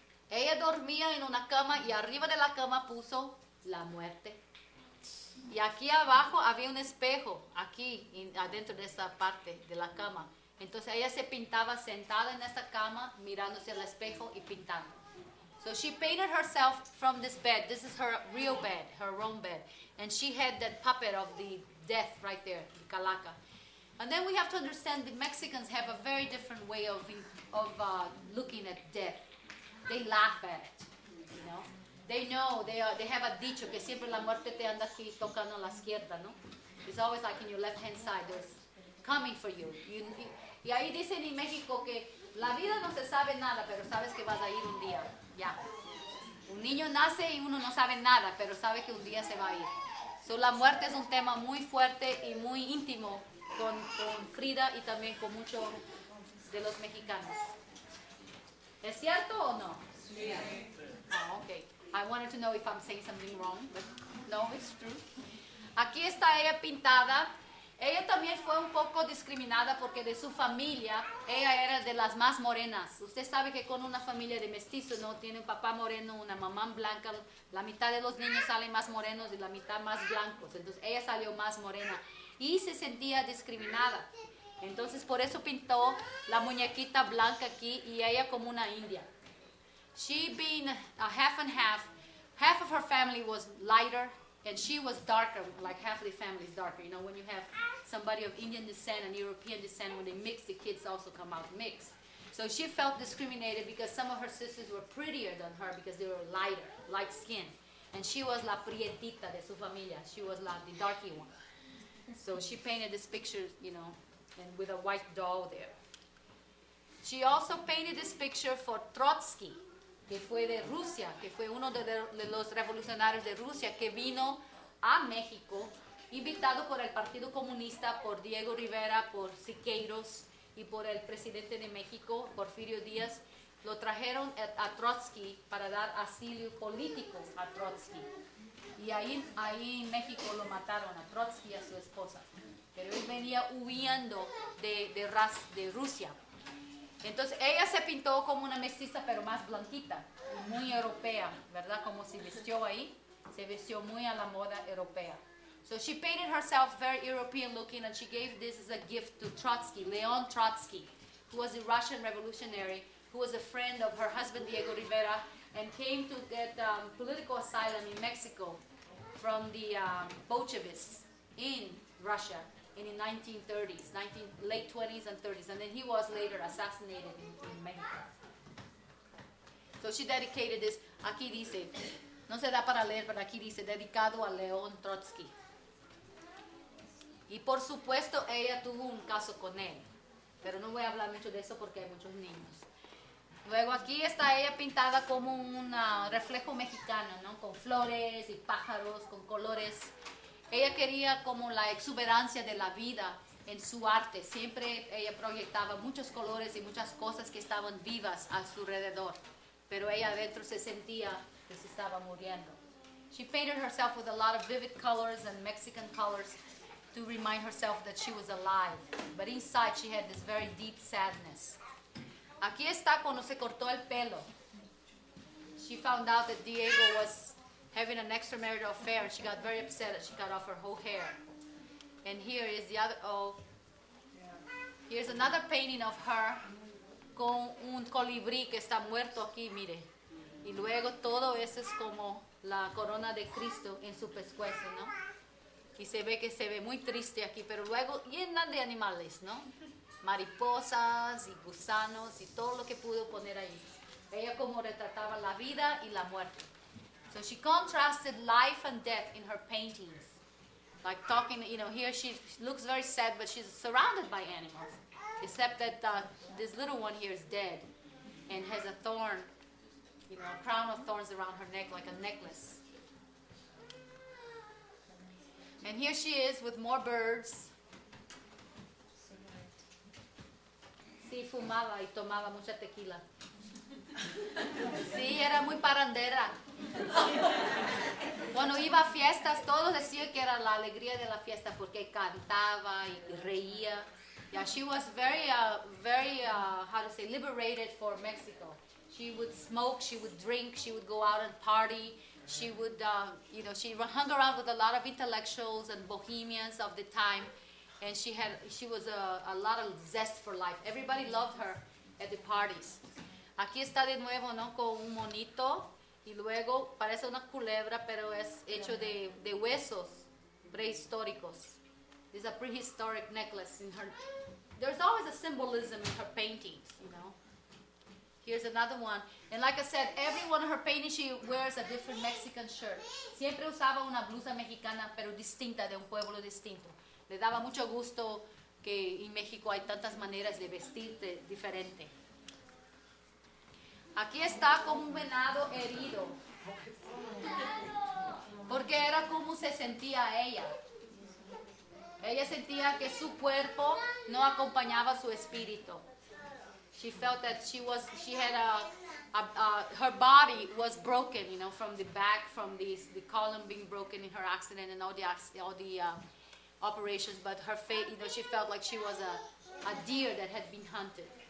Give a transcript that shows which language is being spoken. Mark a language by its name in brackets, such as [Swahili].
[Spanish] Ella dormía en una cama y arriba de la cama puso la muerte. Y aquí abajo había un espejo, aquí adentro de esta parte de la cama. Entonces ella se pintaba sentada en esta cama, mirándose al espejo y pintando. [English] So she painted herself from this bed. This is her real bed, her own bed. And she had that puppet of the death right there, the calaca. And then we have to understand the Mexicans have a very different way of looking at death. They laugh at it, you know. They know, they have a [Spanish] dicho que siempre la muerte te anda aquí tocando la izquierda, ¿no? [English] It's always like in your left-hand side, there's coming for you. [Spanish] Y ahí dicen en México que la vida no se sabe nada, pero sabes que vas a ir un día, ya. Yeah. Un niño nace y uno no sabe nada, pero sabe que un día se va a ir. So, la muerte es un tema muy fuerte y muy íntimo con Frida y también con muchos de los mexicanos. ¿Es cierto o no? Sí. Yeah. [English] Oh, okay. I wanted to know if I'm saying something wrong, but no, it's true. [Spanish] Aquí está ella pintada. Ella también fue un poco discriminada porque de su familia, ella era de las más morenas. Usted sabe que con una familia de mestizos, ¿no? Tiene un papá moreno, una mamá blanca, la mitad de los niños salen más morenos y la mitad más blancos. Entonces ella salió más morena y se sentía discriminada. Entonces por eso pintó la muñequita blanca aquí y ella como una india. [English] She being a half and half, half of her family was lighter and she was darker, like half of the family is darker. You know, when you have somebody of Indian descent and European descent, when they mix, the kids also come out mixed. So she felt discriminated because some of her sisters were prettier than her because they were lighter, light skin. And she was [Spanish] la prietita de su familia. [English] She was the darky one. So she painted this picture, you know, and with a white doll there. She also painted this picture for Trotsky, [Spanish] que fue de Rusia, que fue uno de los revolucionarios de Rusia que vino a México, invitado por el Partido Comunista, por Diego Rivera, por Siqueiros y por el presidente de México, Porfirio Díaz. Lo trajeron a Trotsky para dar asilo político a Trotsky. Y ahí en México lo mataron a Trotsky y a su esposa. Pero él venía huyendo de Rusia. Entonces ella se pintó como una mestiza, pero más blanquita, muy europea, ¿verdad? Como se vistió ahí, se vistió muy a la moda europea. [English] So she painted herself very European looking and she gave this as a gift to Trotsky, Leon Trotsky, who was a Russian revolutionary, who was a friend of her husband Diego Rivera and came to get political asylum in Mexico from the Bolshevists in Russia. In the 1930s, late 20s and 30s, and then he was later assassinated in Mexico. So she dedicated this, [Spanish] aquí dice, no se da para leer, pero aquí dice, dedicado a León Trotsky. Y por supuesto, ella tuvo un caso con él, pero no voy a hablar mucho de eso porque hay muchos niños. Luego aquí está ella pintada como un reflejo mexicano, ¿no? Con flores y pájaros, con colores. Ella quería como la exuberancia de la vida en su arte. Siempre ella proyectaba muchos colores y muchas cosas que estaban vivas a su alrededor. Pero ella adentro se sentía que se estaba muriendo. [English] She painted herself with a lot of vivid colors and Mexican colors to remind herself that she was alive. But inside she had this very deep sadness. [Spanish] Aquí está cuando se cortó el pelo. [English] She found out that Diego was having an extramarital affair, and she got very upset that she cut off her whole hair. And here is the other, here's another painting of her [Spanish] con un colibrí que está muerto aquí, mire. Y luego todo eso es como la corona de Cristo en su pescuezo, ¿no? Y se ve que se ve muy triste aquí, pero luego llena de animales, ¿no? Mariposas y gusanos y todo lo que pudo poner ahí. Ella como retrataba la vida y la muerte. [English] So she contrasted life and death in her paintings. Like talking, you know, here she looks very sad, but she's surrounded by animals. Except that this little one here is dead and has a thorn, you know, a crown of thorns around her neck, like a necklace. And here she is with more birds. [Spanish] Sí, fumaba y tomaba mucha tequila. Sí, era muy parandera. Cuando iba a fiestas, todos decían que era la alegría de la fiesta porque cantaba y reía. [English] Yeah, she was very, how to say, liberated for Mexico. She would smoke, she would drink, she would go out and party. She would, you know, she hung around with a lot of intellectuals and bohemians of the time. And she was a lot of zest for life. Everybody loved her at the parties. [Spanish] Aquí está de nuevo, ¿no? Con un monito. Y luego parece una culebra, pero es hecho de huesos prehistóricos. [English] It's a prehistoric necklace in her. There's always a symbolism in her paintings, you know. Here's another one. And like I said, every one of her paintings, she wears a different Mexican shirt. [Spanish] Siempre usaba una blusa mexicana, pero distinta, de un pueblo distinto. Le daba mucho gusto que en México hay tantas maneras de vestirte diferente. Aquí está como un venado herido. Porque era como se sentía ella. Ella sentía que su cuerpo no acompañaba su espíritu. [English] She felt that her body was broken, you know, from the back, from the column being broken in her accident and all the operations, but her face, you know, she felt like she was a deer that had been hunted.